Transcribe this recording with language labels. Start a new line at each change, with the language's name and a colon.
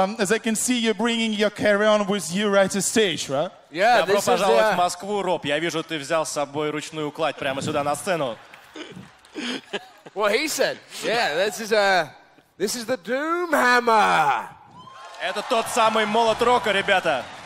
English: As I can see, you're bringing your carry-on with you right to stage, right?
Russian: Yeah, добро пожаловать в Москву, Роб. Я вижу, ты взял с собой ручную кладь прямо сюда на сцену.
English: Well, he said, yeah, this is the Doomhammer.
Russian: Это тот самый молот рока, ребята.